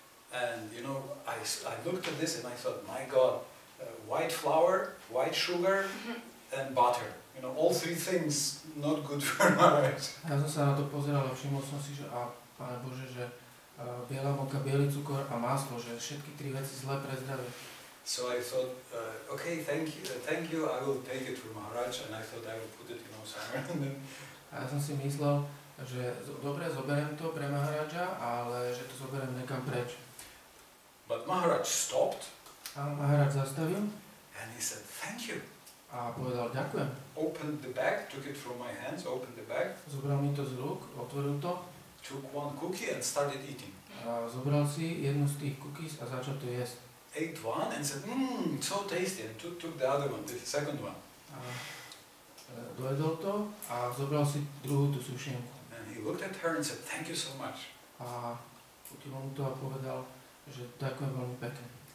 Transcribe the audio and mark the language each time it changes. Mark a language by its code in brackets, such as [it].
[en] And you know, I looked at this and I thought, my God, white flour, white sugar and butter. You know, all three things not good for Maharaj. [sk] Ja som sa na to pozeral a všimol som si, že a Pane Bože, že biela moka, bielý cukor a maslo, že všetky tri veci zlé pre zdravie. [en] So I thought, okay, thank you, I will take it from Maharaj, and I thought I will put it, you know, somewhere. [sk] A ja som si myslel, že dobre, zoberiem to pre Maharaja, ale že to zoberiem nekam preč. [en] But Maharaj stopped. [sk] A Maharaj zastavil. [en] And he said, thank you. [sk] A povedal, ďakujem. [en] Opened the bag, took it from my hands, opened the bag. [sk] Zobral mi to z rúk, otvoril to. [en] Took one cookie and started eating. [sk] A zobral si jednu z tých cookies a začal to jesť. [en] Ate one and said, so tasty, and took the other one, the second one. [sk] Dojedol to a zobral si druhú tú sušenku. [en] And he looked at her and said, thank you so much. [sk] A potom to a povedal, že ďakujem veľmi pekne.